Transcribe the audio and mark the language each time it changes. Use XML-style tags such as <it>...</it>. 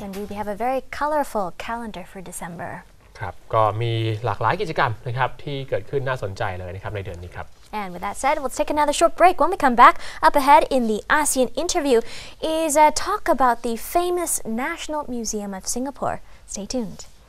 <en>We have a very colorful calendar for December.</en> <th>ครับก็มีหลากหลายกิจกรรมนะครับที่เกิดขึ้นน่าสนใจเลยนะครับในเดือนนี้ครับ</th> <en>And with that said, let's take another short break. When we come back, up ahead in the ASEAN interview is a talk about the famous National Museum of Singapore. Stay tuned.</en>